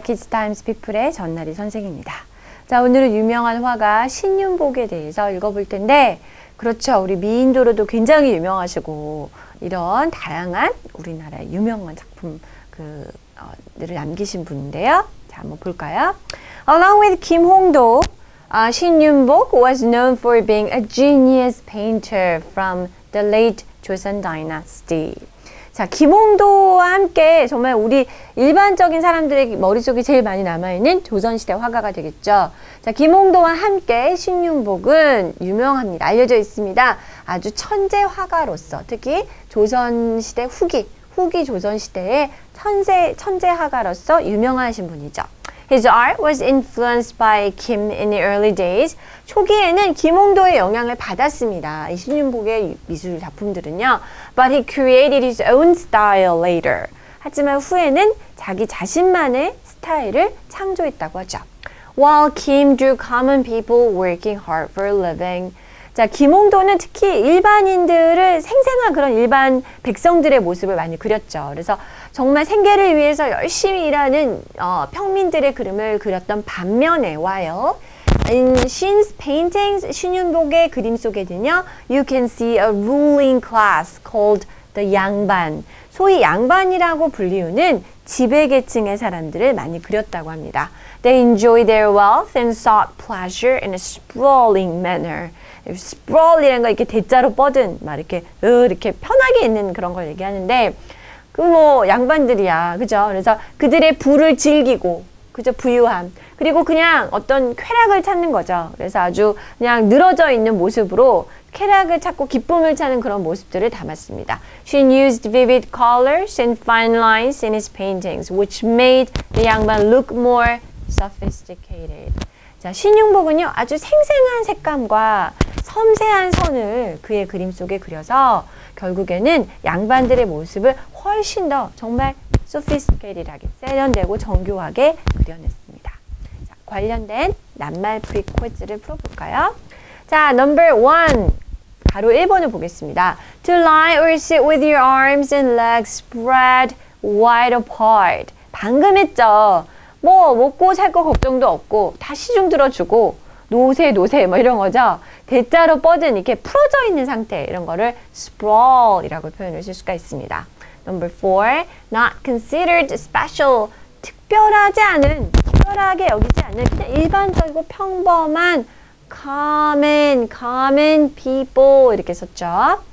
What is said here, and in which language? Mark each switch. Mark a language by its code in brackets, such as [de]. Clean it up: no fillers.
[ko] 키즈타임즈 피플의 전나리 선생입니다. 자, 오늘은 유명한 화가 신윤복에 대해서 읽어볼 텐데, 그렇죠. 우리 미인도로도 굉장히 유명하시고, 이런 다양한 우리나라의 유명한 작품, 들을 남기신 분인데요. 자, 한번 볼까요? [en] Along with 김홍도, Shin-yun-bok was known for being a genius painter from the late Joseon Dynasty. [ko] 자, 김홍도와 함께 정말 우리 일반적인 사람들의 머릿속에 제일 많이 남아있는 조선시대 화가가 되겠죠. 자, 김홍도와 함께 신윤복은 유명합니다. 알려져 있습니다. 아주 천재 화가로서 특히 조선시대 후기 조선시대의 천재 화가로서 유명하신 분이죠. [en] His art was influenced by Kim in the early days. [ko] 초기에는 김홍도의 영향을 받았습니다. 이 신윤복의 미술 작품들은요. [en] But he created his own style later. [ko] 하지만 후에는 자기 자신만의 스타일을 창조했다고 하죠. [en] While Kim drew common people working hard for a living. [ko] 자, 김홍도는 특히 일반인들을 생생한 그런 일반 백성들의 모습을 많이 그렸죠. 그래서 정말 생계를 위해서 열심히 일하는 평민들의 그림을 그렸던 반면에 와요. [en] In Shin's paintings, 신윤복의 그림 속에는요, you can see a ruling class called the 양반. [ko] 소위 양반이라고 불리우는 지배계층의 사람들을 많이 그렸다고 합니다. [en] They enjoy their wealth and sought pleasure in a sprawling manner. [ko] sprawl이라는 거 이렇게 대자로 뻗은 막 이렇게 편하게 있는 그런 걸 얘기하는데 그 뭐 양반들이야, 그죠? 그래서 그들의 부를 즐기고 그저 부유함 그리고 그냥 어떤 쾌락을 찾는 거죠. 그래서 아주 그냥 늘어져 있는 모습으로 쾌락을 찾고 기쁨을 찾는 그런 모습들을 담았습니다. [en] She used vivid colors and fine lines in his paintings, which made the 양반 look more sophisticated. [ko] 자, 신윤복은요, 아주 생생한 색감과 섬세한 선을 그의 그림 속에 그려서 결국에는 양반들의 모습을 훨씬 더 정말 소피스티케이티드하게 세련되고 정교하게 그려냈습니다. 자, 관련된 낱말 프리퀘즈를 풀어볼까요? 자, number one. 바로 1번을 보겠습니다. [en] To lie or sit with your arms and legs spread wide apart. [ko] 방금 했죠. 뭐 먹고 살 거 걱정도 없고 다 시중 들어주고 노세 뭐 이런 거죠. 대자로 뻗은 이렇게 풀어져 있는 상태 이런 거를 sprawl이라고 표현을 쓸 수가 있습니다. Number four, not considered special. 특별하게 여기지 않은 그냥 일반적이고 평범한 common people 이렇게 썼죠.